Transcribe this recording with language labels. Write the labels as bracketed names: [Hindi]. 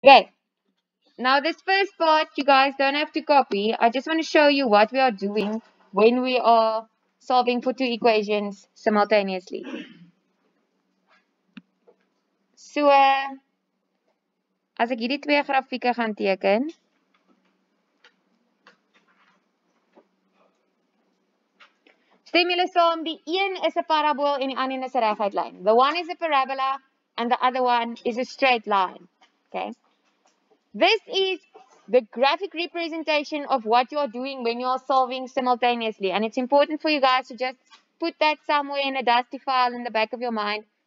[English] Okay, now this first part you guys don't have to copy. I just want to show you what we are doing when we are solving for two equations simultaneously. [Afrikaans] So, as ek hierdie twee grafieke gaan teken, stem julle saam, die een is 'n parabool en die ander is 'n reguitlyn. [English] The one is a parabola and the other one is a straight line. Okay? This is the graphic representation of what you are doing when you are solving simultaneously. And it's important for you guys to just put that somewhere in a dusty file in the back of your mind.